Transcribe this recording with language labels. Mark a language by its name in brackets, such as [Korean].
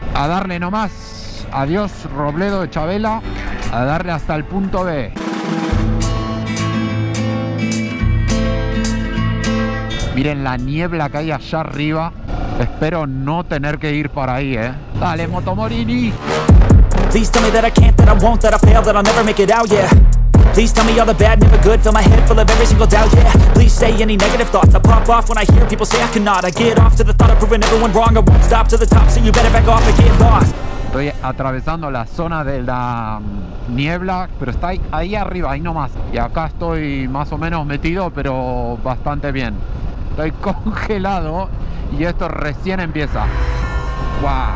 [Spanish] A darle nomás. Adiós, Robledo de Chavela. A darle hasta el punto B. Miren la niebla que hay allá arriba. Espero no tener que ir para ahí, ¿eh? Dale, Motomorini. [English] Please tell me that I can't, that I won't, that I fail, that I'll never make it out, yeah. Please tell me all the bad, never good, fill my head full of every single doubt, yeah. Please say any negative thoughts, I pop off when I hear people say I cannot. I get off to the thought of proving everyone wrong, I won't stop to the top, so you better back off or get lost. [Spanish] Estoy atravesando la zona de la niebla, pero está ahí arriba, ahí nomás. Y acá estoy más o menos metido, pero bastante bien. Estoy congelado y esto recién empieza. ¡Wow!